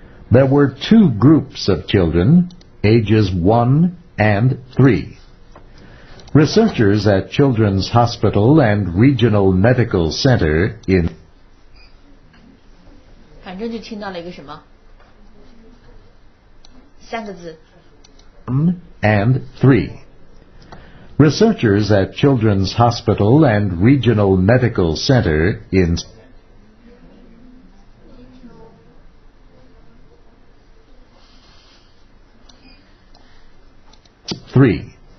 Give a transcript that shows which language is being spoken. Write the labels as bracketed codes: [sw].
[en] There were two groups of children, ages 1 and 3. Researchers at Children's Hospital and Regional Medical Center in [zh] 反正就听到了一个什么三个字 [en] and three. Researchers at Children's Hospital and Regional Medical Center in 3.